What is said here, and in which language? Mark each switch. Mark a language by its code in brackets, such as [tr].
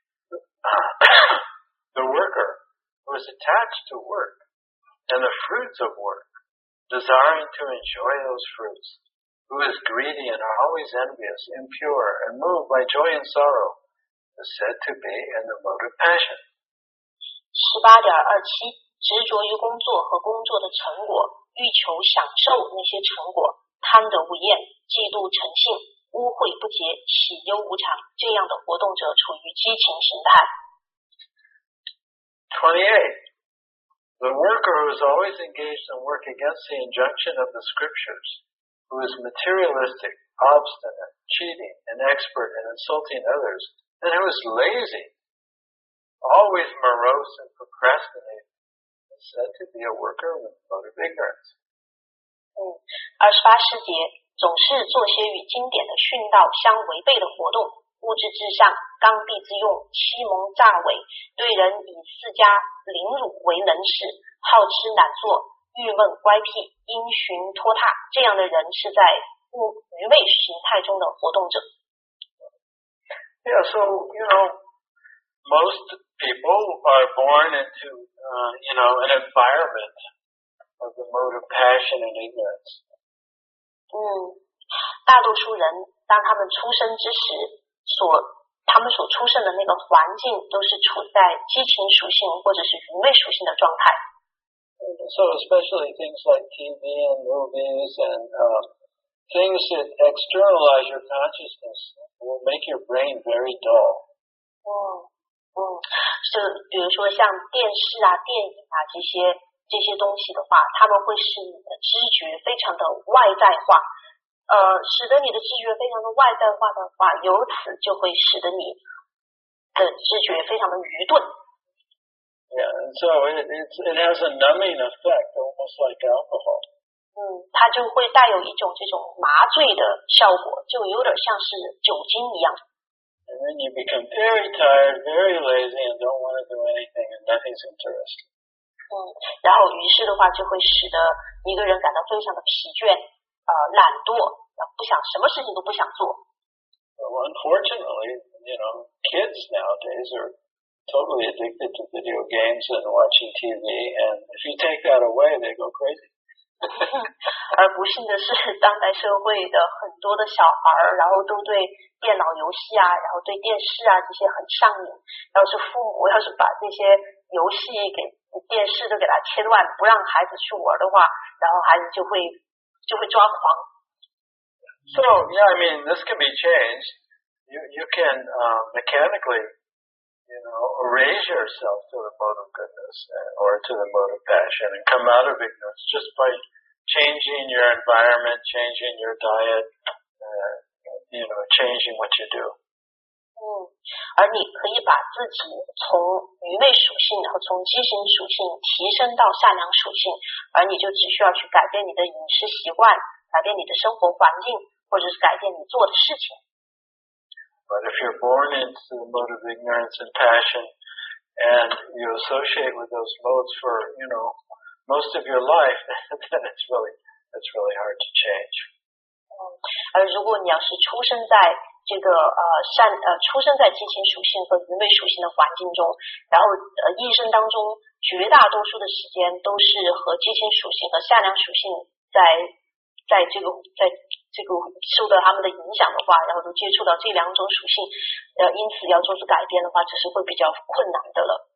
[en] 27. The worker who is attached to work and the fruits of work, desiring to enjoy those fruitsWho is greedy and are always envious, impure, and moved by joy and sorrow, is said to be in the mode of passion. [zh] 18.27, 执着于工作和工作的成果，欲求享受那些成果，贪得无厌，嫉妒成性，污秽不洁，喜忧无常，这样的活动者处于激情形态。 [en] 28. The worker who is always engaged in work against the injunction of the scriptures,who is materialistic, obstinate, cheating, and expert in insulting others, and who is lazy, always morose and procrastinating, is said to be a worker with a mode of ignorance. [zh] 28节总是做些与经典的训道相违背的活动，物质至上，刚愎自用，欺蒙诈伪，对人以自家凌辱为能事，好吃懒做，欲问乖僻，因循拖沓，这样的人是在愚昧形态中的活动者。 [en] Yeah, so, you know, most people are born into, you know, an environment of the mode of passion and ignorance. [zh] 大多数人当他们出生之时，他们所出生的那个环境都是处在激情属性或者是愚昧属性的状态。 [en] So especially things like TV and movies and things that externalize your consciousness will make your brain very dull. [zh] 是比如说像电视啊、电影啊这些东西的话，他们会使你的知觉非常的外在化，使得你的知觉非常的外在化的话，由此就会使得你的知觉非常的愚钝。 [en] Yeah, and so it has a numbing effect, almost like alcohol. [zh] 它就会带有一种这种麻醉的效果，就有点像是酒精一样。 [en] And then you become very tired, very lazy, and don't want to do anything, and nothing's interesting. [zh] 然后于是的话就会使得一个人感到非常的疲倦，懒惰，不想什么事情都不想做。 [en] Well, unfortunately, you know, kids nowadays are... totally addicted to video games and watching TV, and if you take that away, they go crazy. [zh] 而不幸的是，当代社会的很多的小孩，然后都对电脑游戏啊，然后对电视啊这些很上瘾。要是父母要是把这些游戏给电视都给他切断，不让孩子去玩的话，然后孩子就会抓狂。 [en] So yeah, I mean, this can be changed. You can mechanically. You know, raise yourself to the mode of goodness or to the mode of passion and come out of ignorance just by changing your environment, changing your diet, you know, changing what you do. [zh] 而你可以把自己从愚昧属性然后从畸形属性提升到善良属性，而你就只需要去改变你的饮食习惯，改变你的生活环境，或者是改变你做的事情。 [en] But if you're born into the mode of ignorance and passion, and you associate with those modes for, you know, most of your life, then it's really hard to change. [zh] 而如果你要是出生在这个善出生在激情属性和愚昧属性的环境中，然后一生当中绝大多数的时间都是和激情属性和善良属性在这个受到他们的影响的话，然后都接触到这两种属性，因此要做出改变的话，这是会比较困难的了。